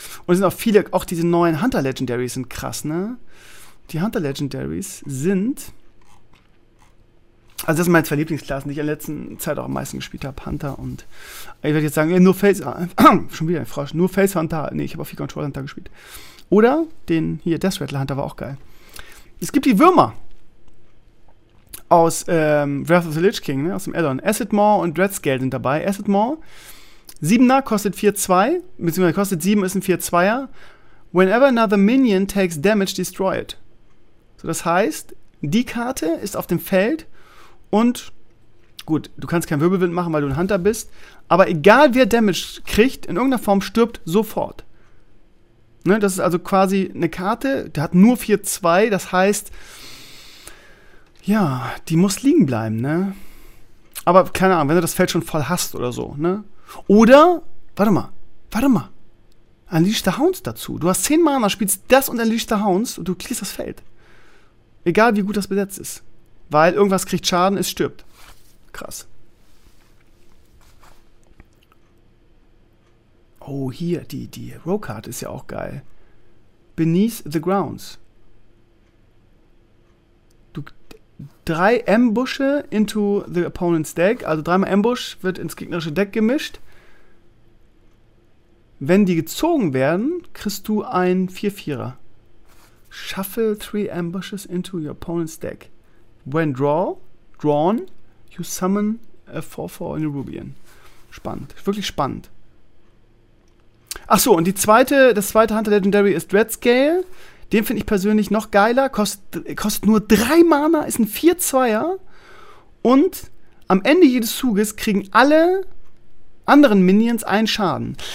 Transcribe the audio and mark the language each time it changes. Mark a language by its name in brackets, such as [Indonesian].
[German] Und es sind auch viele, auch diese neuen Hunter Legendaries sind krass, ne? Die Hunter Legendaries sind, also das sind meine 2 Lieblingsklassen, die ich in der letzten Zeit auch am meisten gespielt habe, Hunter und, ich werde jetzt sagen, nur Face, schon wieder ein Frosch, nur Face Hunter, nee, ich habe auch viel Control Hunter gespielt. Oder den hier, Death Rattler Hunter, war auch geil. Es gibt die Würmer aus Wrath of the Lich King, ne, aus dem Addon. Acid Maw und Dread Scale sind dabei. Acid Maw, 7er kostet 4-2, beziehungsweise kostet 7, ist ein 4-2er. [English] Whenever another minion takes damage, destroy it. [German] So, das heißt, die Karte ist auf dem Feld und, gut, du kannst keinen Wirbelwind machen, weil du ein Hunter bist, aber egal, wer Damage kriegt, in irgendeiner Form stirbt sofort. Ne, das ist also quasi eine Karte, die hat nur 4-2, das heißt, ja, die muss liegen bleiben, ne? Aber keine Ahnung, wenn du das Feld schon voll hast oder so, ne? Oder, warte mal, Unleash the Hounds dazu. Du hast 10 Mana, spielst das und Unleash the Hounds und du kriegst das Feld. Egal, wie gut das besetzt ist. Weil irgendwas kriegt Schaden, es stirbt. Krass. Oh, hier, die Rogue-Karte ist ja auch geil. Beneath the Grounds. [English] 3 Ambushe into the opponent's deck. [German] Also 3-mal Ambush wird ins gegnerische Deck gemischt. Wenn die gezogen werden, kriegst du ein 4-4er. [English] Shuffle 3 Ambushes into your opponent's deck. When drawn, you summon a 4-4 in a Rubian. [German] Spannend, wirklich spannend. Ach so, und das zweite Hunter Legendary ist Dread Scale. Den finde ich persönlich noch geiler. Kostet nur 3 Mana, ist ein 4-2er. Und am Ende jedes Zuges kriegen alle anderen Minions einen Schaden.